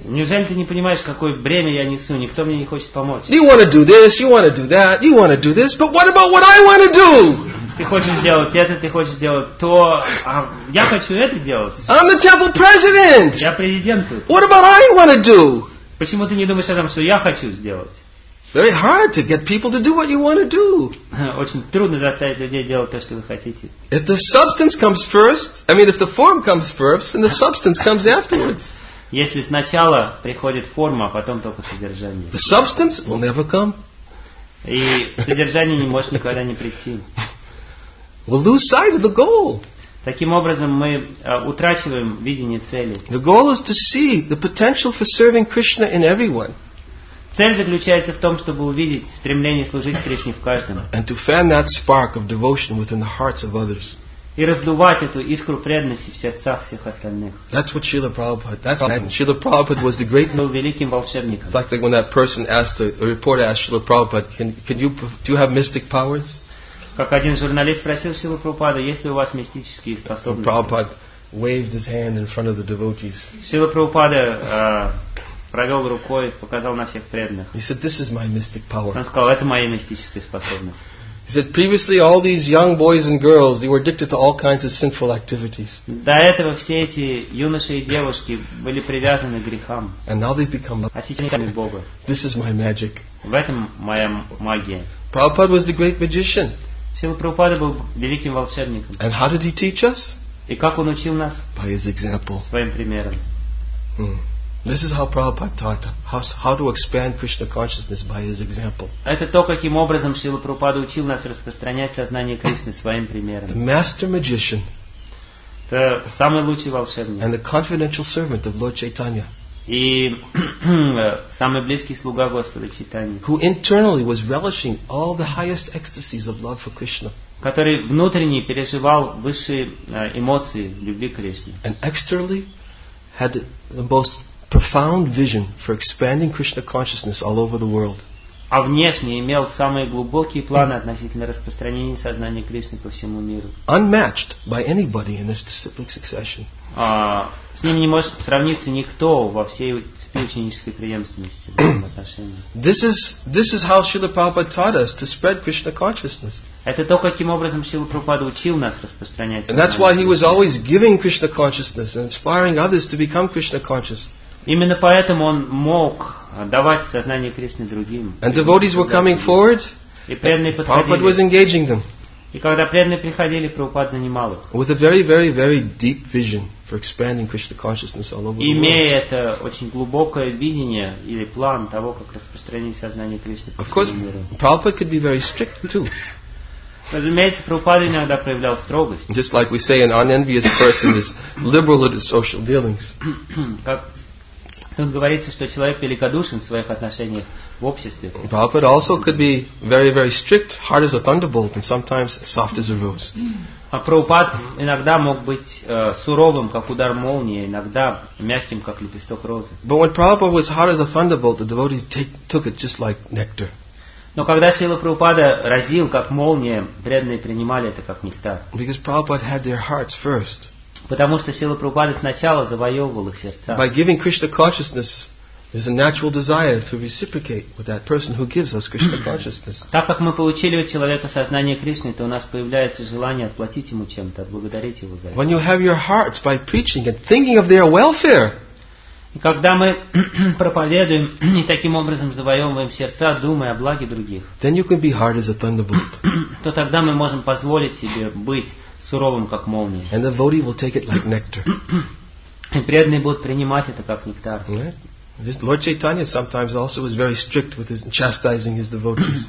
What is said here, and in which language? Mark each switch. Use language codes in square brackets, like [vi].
[ru] Неужели ты не понимаешь, какое бремя я несу? Никто мне не хочет помочь. [en] You want to do this, you want to do that, you want to do this, but what about what I want to do? [ru] Ты хочешь сделать это, ты хочешь сделать то, а я хочу это делать. [en] I'm the temple president. [ru] Я президент тут. [en] What about I want to do? [ru] Почему ты не думаешь о том, что я хочу сделать? [en] Very hard to get people to do what you want to do. [ru] Очень трудно заставить людей делать то, что вы хотите. [en] If the substance comes first, I mean, if the form comes first, then the substance comes afterwards. [ru] Если сначала приходит форма, а потом только содержание. [en] The substance will never come. [ru] И содержание не может никогда не прийти. [en] We'll lose sight of the goal. [ru] Таким образом мы утрачиваем видение цели. [en] The goal is to see the potential for serving Krishna in everyone. [ru] Цель заключается в том, чтобы увидеть стремление служить Кришне в каждом. [en] And to fan that spark of devotion within the hearts of others. [ru] И раздувать эту искру преданности в сердцах всех остальных. [en] That's what Srila Prabhupada. That's what Srila Prabhupada was the great. [ru] Был великим волшебником. [en] It's like that when that person asked a reporter asked Srila Prabhupada, do you have mystic powers? [ru] Как один журналист спросил Шрилу Прабхупаду, есть ли у вас мистические способности? [en] Prabhupada waved his hand in front of the devotees. [ru] Шрила Прабхупада провел рукой, показал на всех преданных. [en] He said, this is my mystic power. [ru] Он сказал, это моя мистическая способность. [en] He said, previously all these young boys and girls, they were addicted to all kinds of sinful activities. [ru] До этого все эти юноши и девушки были привязаны к грехам. [en] And now they've become. [ru] А сейчас они стали Бога. [en] This is my magic. [ru] В этом моя магия. [en] Prabhupada was the great magician. [ru] Шрила Прабхупада был великим волшебником. [en] And how did he teach us? [ru] И как он учил нас? [en] By his example. [ru] Своим примером. Hmm. [en] This is how Prabhupada taught how to expand Krishna consciousness by his example. [ru] Это то, каким образом Шрила Прабхупада учил нас распространять сознание Кришны своим примером. [en] The master magician. [ru] Это самый лучший волшебник. [en] And the confidential servant of Lord Chaitanya. [ru] И самый близкий слуга Господа Чайтаньи. [en] Who internally was relishing all the highest ecstasies of love for Krishna. [ru] Который внутренне переживал высшие эмоции любви к Кришне. [en] And externally had the most profound vision for expanding Krishna consciousness all over the world. [ru] А внешне имел самые глубокие планы относительно распространения сознания Кришны по всему миру. [en] Unmatched by anybody in this disciplic succession. [ru] С ним не может сравниться никто во всей цепи ученической преемственности в отношении. [en] This is how Srila Prabhupada taught us to spread Krishna consciousness. [ru] Это то, каким образом Шрила Прабхупада учил нас распространять. [en] And that's why he was always giving Krishna consciousness and inspiring others to become Krishna conscious. [ru] Именно поэтому он мог давать сознание Кришны другим. [en] And devotees were coming forward. [ru] И преданные подходили. [en] Prabhupada was engaging them. [ru] И когда преданные приходили, Прабхупад занимал их. [en] With a very, very, very deep vision for expanding Krishna consciousness all over the world. [ru] Имея это очень глубокое видение или план того, как распространить сознание Кришны. [en] Of course, Prabhupada could be very strict too. [ru] Разумеется, Прабхупада иногда проявлял строгость. [en] Just like we say, an unenvious person is liberal in his social dealings. [ru] Тут говорится, что человек великодушен в своих отношениях в обществе. [en] Prabhupada also could be very, very strict, hard as a thunderbolt, and sometimes soft as a rose. [ru] А Прабхупад иногда мог быть суровым, как удар молнии, иногда мягким, как лепесток розы. [en] But when Prabhupada was hard as a thunderbolt, the devotees took it just like nectar. [ru] Но когда Шрила Прабхупада разил, как молния, преданные принимали это как нектар. [en] Because Prabhupada had their hearts first. [ru] Потому что Шрила Прабхупада сначала завоевывал их сердца. [en] By giving Krishna consciousness, there's a natural desire to reciprocate with that person who gives us Krishna consciousness. [ru] Так как мы получили у человека сознание Кришны, то у нас появляется желание отплатить ему чем-то, отблагодарить его за это. [en] When you have your hearts by preaching and thinking of their welfare. [ru] И когда мы проповедуем и таким образом завоевываем сердца, думая о благе других, [en] then you can be hard as a thunderbolt. [ru] То тогда мы можем позволить себе быть суровым, как молния. [en] And the devotee will take it like nectar. [ru] преданные будут принимать это как нектар. [en] This Lord Chaitanya sometimes also was very strict with his chastising his devotees.